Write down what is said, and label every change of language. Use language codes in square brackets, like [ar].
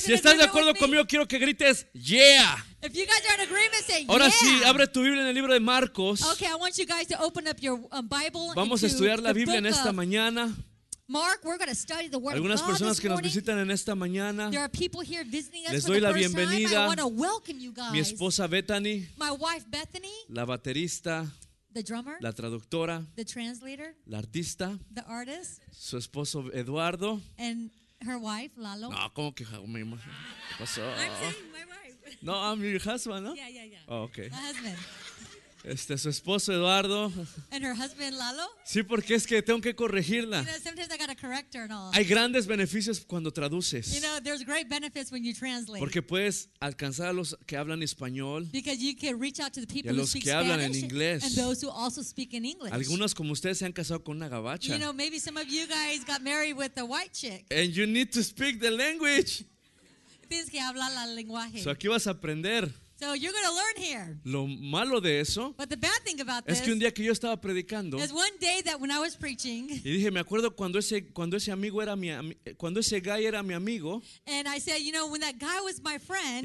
[es] si estás de acuerdo conmigo, quiero que grites, yeah. [en] If you guys are in agreement, say, [es] ahora [en] yeah. [es] Sí, abre tu Biblia en el libro de Marcos. [en] Okay, I want you guys to open up your Bible. [es] Vamos a estudiar la Biblia en esta mañana. [en] Mark, we're going to study the word. [es] Algunas personas [en] this morning, [es] que nos visitan en esta mañana. [en] There are people here visiting us. [es] Les doy la bienvenida. [en] I want to welcome you guys. [es] Mi esposa Bethany. [en] My wife Bethany. [es] La baterista. [en] The drummer, [es] la traductora, [en] the translator, [es] la artista, [en] the artist, [es] su esposo Eduardo, [en] and her wife Lalo. [es] No, ¿cómo que mi esposo? [en] I'm saying my wife. No, I'm your husband, ¿no? Yeah, yeah, yeah. Oh, okay. My husband. [es] Su esposo Eduardo. [en] And her husband Lalo. [es] Sí, porque es que tengo que corregirla. [en] You know, sometimes I gotta correct her and all. [es] Hay grandes beneficios cuando traduces. [en] You know, there's great benefits when you translate. [es] Porque puedes alcanzar a los que hablan español. [en] Because you can reach out to the people [es] y a los [en] who speak [es] que hablan en inglés. [en] And those who also speak in English. [es] Algunos como ustedes se han casado con una gabacha. [en] You know, maybe some of you guys got married with a white chick. And you need to speak the language. [es] Tienes que hablar la lenguaje. So aquí vas a aprender. [en] So you're going to learn here. [es] Lo malo de eso, [en] but the bad thing about this [es] es que un día que yo estaba predicando, [en] is one day that when I was preaching, [es] y dije, me acuerdo cuando ese guy era mi amigo, [en] and I said, you know, when that guy was my friend,